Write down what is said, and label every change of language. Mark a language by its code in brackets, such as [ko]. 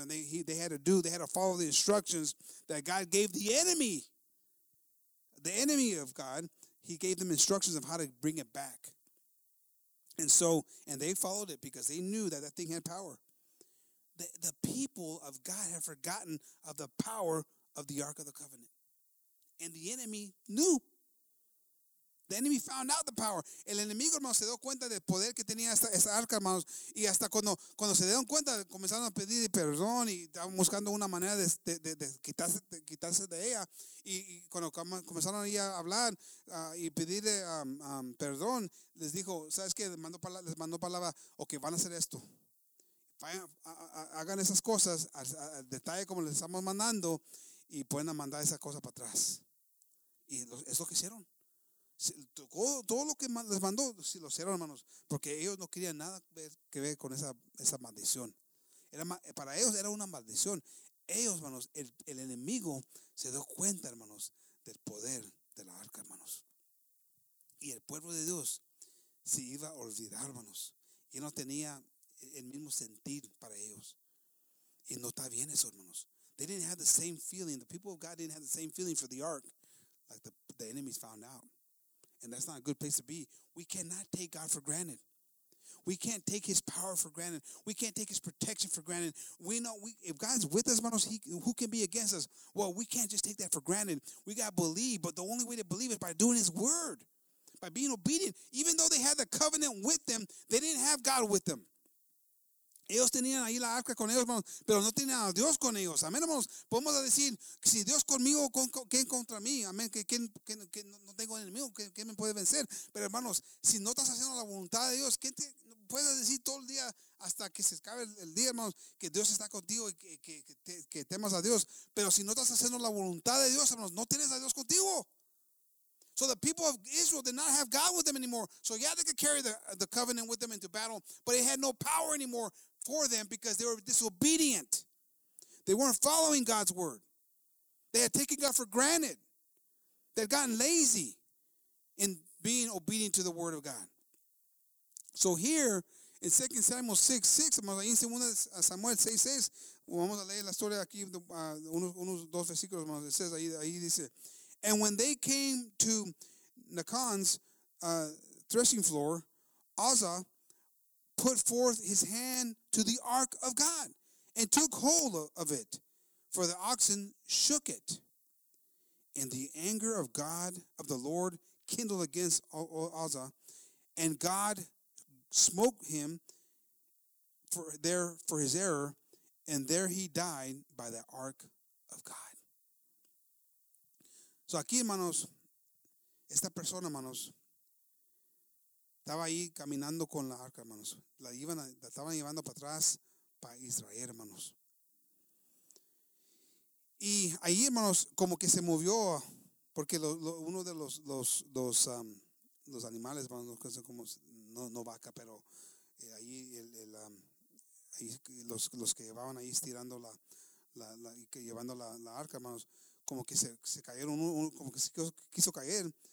[en] And they had to do, they had to follow the instructions that God gave the enemy of God. He gave them instructions of how to bring it back. And so, and they followed it because they knew that thing had power. The people of God had forgotten of the power of the Ark of the Covenant. And the enemy knew. The enemy found out the power. [es] El enemigo, hermanos, se dio cuenta del poder que tenía esta arca, hermanos. Y hasta cuando se dieron cuenta, comenzaron a pedir perdón y estaban buscando una manera de quitarse de ella. Y cuando comenzaron ahí a hablar y pedir perdón, les dijo, ¿sabes qué? Les mandó palabra, ok, van a hacer esto. Hagan esas cosas al detalle como les estamos mandando y pueden mandar esa cosa para atrás. Y es lo que hicieron. Todo lo que les mandó, si lo hicieron, hermanos, porque ellos no querían nada que ver con esa maldición. Para ellos era una maldición. Ellos, hermanos, el enemigo se dio cuenta, hermanos, del poder de la arca, hermanos. Y el pueblo de Dios se iba a olvidar, hermanos. Y no tenía el mismo sentir para ellos. Y no está bien eso, hermanos. [en] They didn't have the same feeling. The people of God didn't have the same feeling for the ark like the enemies found out. And that's not a good place to be. We cannot take God for granted. We can't take his power for granted. We can't take his protection for granted. We know if God's with us, hermanos, who can be against us? Well, we can't just take that for granted. We got to believe, but the only way to believe is by doing his word, by being obedient. Even though they had the covenant with them, they didn't have God with them. [es] Ellos tenían ahí la arca con ellos, hermanos, pero no tenían a Dios con ellos. Amén, hermanos. Podemos decir, si Dios conmigo, ¿quién contra mí? Amén, que no tengo enemigo, ¿quién me puede vencer? Pero, hermanos, si no estás haciendo la voluntad de Dios, ¿quién te puede decir todo el día hasta que se acabe el día, hermanos, que Dios está contigo y que temas a Dios? Pero si no estás haciendo la voluntad de Dios, hermanos, no tienes a Dios contigo. [en] So the people of Israel did not have God with them anymore. So yeah, they could carry the covenant with them into battle, but it had no power anymore for them because they were disobedient. They weren't following God's word. They had taken God for granted. They had gotten lazy in being obedient to the word of God. So here in 2 Samuel 6, 6, [es] en 2 Samuel 6, 6, vamos a leer la historia aquí, unos dos versículos, [en] hermanos, it says, [es] ahí dice, [en] and when they came to Nacon's threshing floor, Uzzah put forth his hand to the ark of God and took hold of it, for the oxen shook it. And the anger of God, of the Lord, kindled against Uzzah, and God smote him for his error, and there he died by the ark of God. [es] So aquí, hermanos, esta persona, hermanos, estaba ahí caminando con la arca, hermanos. La estaban llevando para atrás, para Israel, hermanos. Y ahí, hermanos, como que se movió, porque uno de los animales, hermanos, no sé cómo, no vaca, pero ahí, ahí los que llevaban ahí estirando la arca, hermanos, como que se cayeron, como que se quiso caer.